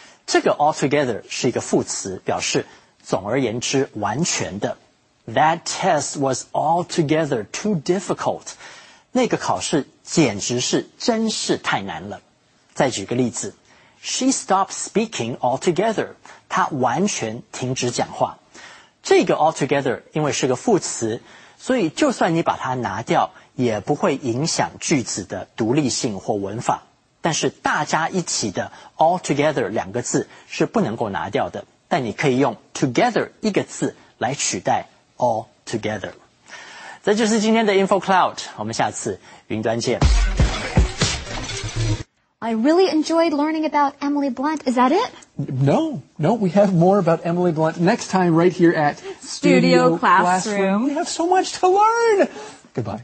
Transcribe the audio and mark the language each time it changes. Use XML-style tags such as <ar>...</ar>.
<zh>这个 altogether 是一个副词，表示总而言之完全的。</zh> <en>That test was altogether too difficult.</en> <zh>那个考试简直是真是太难了。再举个例子，</zh> <en>She stopped speaking altogether.</en> <zh>她完全停止讲话。这个 altogether 因为是个副词，所以就算你把它拿掉也不会影响句子的独立性或文法，但是大家一起的 altogether 两个字是不能够拿掉的，但你可以用 together 一个字来取代 altogether。这就是今天的 Info Cloud， 我们下次云端见。</zh> <en>I really enjoyed learning about Emily Blunt. Is that it? No, we have more about Emily Blunt next time right here at Studio Classroom. We have so much to learn. Goodbye.</en>